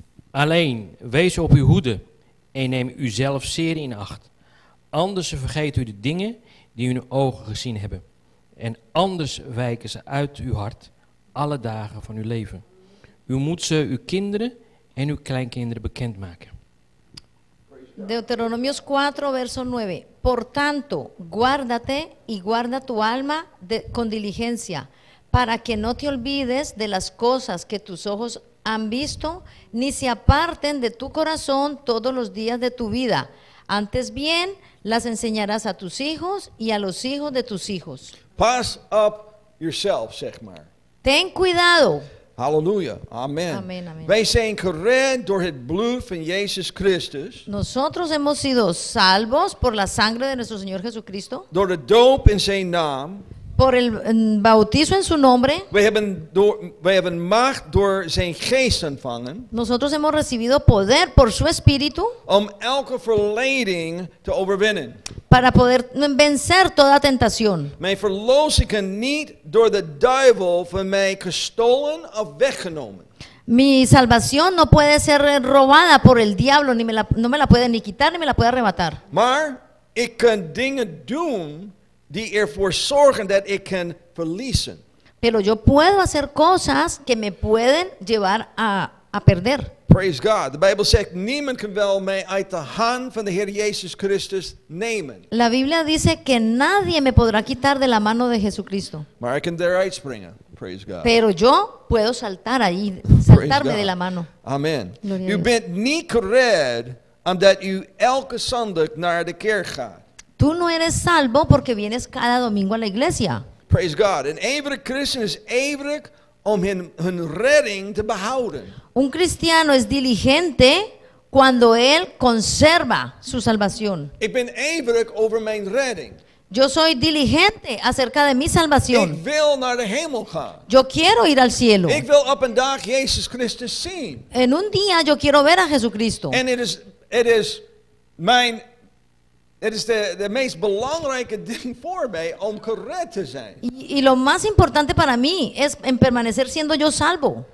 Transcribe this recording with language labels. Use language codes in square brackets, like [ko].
[nl] Alleen, wees op uw hoede en neem uzelf zeer in acht. Anders vergeet u de dingen die hun ogen gezien hebben. En anders wijken ze uit uw hart alle dagen van uw leven. U moet ze uw kinderen en uw kleinkinderen bekendmaken. [es] Deuteronomios 4, verso 9. Por tanto, guárdate y guarda tu alma con diligencia, para que no te olvides de las cosas que tus ojos han visto, ni se aparten de tu corazón todos los días de tu vida. Antes bien, las enseñarás a tus hijos y a los hijos de tus hijos. [en] Pass up yourself, [nl] zeg maar. [es] Ten cuidado. Halleluja. Amen. Amen, amen. [nl] Wij zijn gered door het bloed van Jezus Christus. [es] Nosotros hemos sido salvos por la sangre de nuestro Señor Jesucristo. [nl] Door de doop in zijn naam. [es] Por el bautizo en su nombre. [nl] Wij hebben macht door zijn geest ontvangen. [es] Nosotros hemos recibido poder por su espíritu. [nl] Om elke verleiding te overwinnen. [es] Para poder vencer toda tentación. [nl] Mijn verlossing kan niet door de duivel van mij gestolen of weggenomen. [es] Mi salvación no puede ser robada por el diablo, no me la puede ni quitar ni me la puede arrebatar. [nl] Maar ik kan dingen doen die ervoor zorgen dat ik kan verliezen. [es] Pero yo puedo hacer cosas que me pueden llevar a perder. [en] Praise God. [nl] De Bijbel zegt, niemand kan wel mij uit de hand van de Heer Jezus Christus nemen. [es] La Biblia dice que nadie me podrá quitar de la mano de Jesucristo. [nl] Maar ik kan eruit springen. [en] Praise God. [es] Pero yo puedo saltar ahí, saltarme de la mano. Amen. [nl] U bent niet gered omdat u elke zondag naar de kerk gaat. [es] Tú no eres salvo porque vienes cada domingo a la iglesia. [en] Praise God. [nl] Een ijverig christen is ijverig om hun redding te behouden. [es] Un cristiano es diligente cuando él conserva su salvación. [nl] Ik ben ijverig over mijn redding. [es] Yo soy diligente acerca de mi salvación. [nl] Ik wil naar de hemel gaan. [es] Yo quiero ir al cielo. [nl] Ik wil op een dag Jezus Christus zien. [es] En un día yo quiero ver a Jesucristo. [en] And it is mijn. [nl] Het is de meest belangrijke ding voor mij om gered te zijn. [es] Y lo más importante para mí es en permanecer siendo yo salvo.